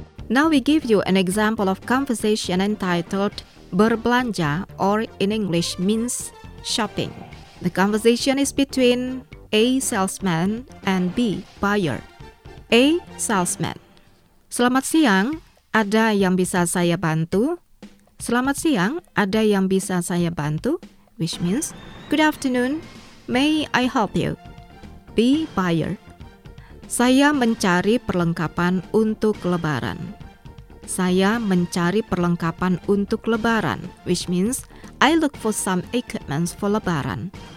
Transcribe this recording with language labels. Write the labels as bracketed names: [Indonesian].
[English] Now we give you an example of conversation entitled Berbelanja, or in English means shopping. The conversation is between A salesman and B buyer. A salesman. [Indonesian] Selamat siang, ada yang bisa saya bantu? Selamat siang, ada yang bisa saya bantu? [English] Which means, good afternoon, may I help you? B buyer. [Indonesian] Saya mencari perlengkapan untuk lebaran. Saya mencari perlengkapan untuk lebaran, [English] which means I look for some equipments for lebaran.